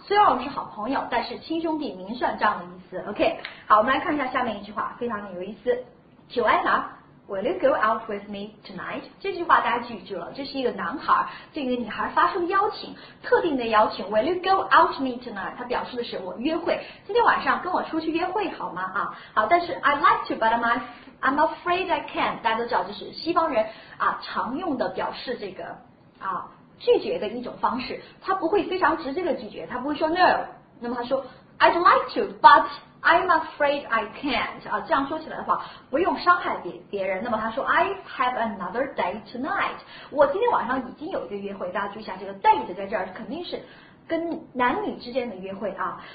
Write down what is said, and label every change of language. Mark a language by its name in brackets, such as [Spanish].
[Chinese] 虽然我们是好朋友，但是亲兄弟明算账的意思。OK， 好，我们来看一下下面一句话，非常的有意思。 [English] Joanna， will you go out with me tonight？ [Chinese] 这句话大家记住了，这是一个男孩，这个女孩发出邀请，特定的邀请。 [English] Will you go out with me tonight？ [Chinese] 它表示的是我约会，今天晚上跟我出去约会好吗？啊，好，但是 [English] I'd like to， but I'm afraid I can't。 [Chinese] 大家都知道，这是西方人啊常用的表示这个啊。拒绝的一种方式，他不会非常直接的拒绝，他不会说 no， 那么他说 [English] I'd like to but I'm afraid I can't [Chinese] 啊，这样说起来的话不用伤害 别人，那么他说 [English] I have another day tonight， [Chinese] 我今天晚上已经有一个约会，大家注意一下这个 date 在这儿肯定是跟男女之间的约会啊。